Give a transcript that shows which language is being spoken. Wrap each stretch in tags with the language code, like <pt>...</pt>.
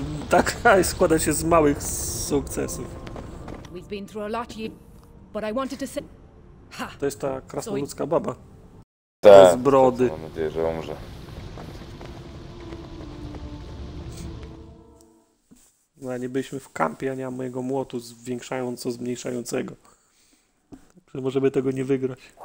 <pl>Tak składa się z małych sukcesów.</pl> <en>We've been through a lot, but I wanted to say.</en> <pl>To jest ta krasnoludzka baba. Ta. Z brody. Mam nadzieję, że umrze. No, a nie byliśmy w kampie, a nie mam mojego młotu zwiększająco zmniejszającego. Także możemy tego nie wygrać.</pl>